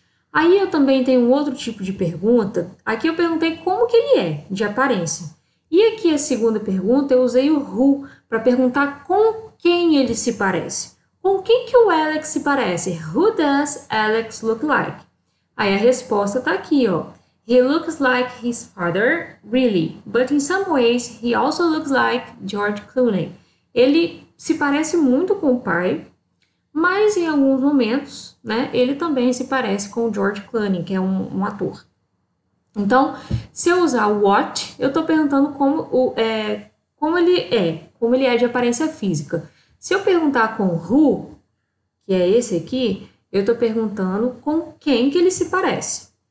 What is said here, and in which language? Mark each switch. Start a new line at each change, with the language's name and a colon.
Portuguese: Aí eu também tenho um outro tipo de pergunta. Aqui eu perguntei como que ele é de aparência. E aqui a segunda pergunta, eu usei o who para perguntar com quem ele se parece. Com quem que o Alex se parece?
English: Who does Alex look like?
Portuguese: Aí a resposta tá aqui, ó.
English: He looks like his father, really, but in some ways he also looks like George Clooney.
Portuguese: Ele se parece muito com o pai, Mas em alguns momentos, né, ele também se parece com o George Clooney, que é um ator. Então, se eu usar o what, eu estou perguntando como ele é de aparência física. Se eu perguntar com who, que é esse aqui, eu estou perguntando com quem que ele se parece.